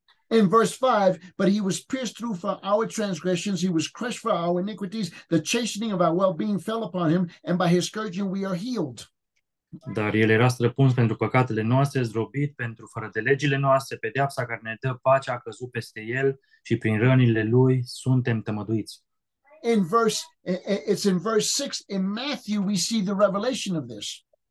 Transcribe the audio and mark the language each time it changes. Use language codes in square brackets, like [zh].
[en] In verse 5, but he was pierced through for our transgressions, he was crushed for our iniquities, the chastening of our well-being fell upon him, and by his scourging we are healed. [ro] Dar el era străpuns pentru păcatele noastre, zdrobit pentru fărădelegile noastre, pedeapsa care ne dă pace a căzut peste el și prin rănile lui suntem tămăduiți. [en] It's in verse 6 in Matthew we see the revelation of this.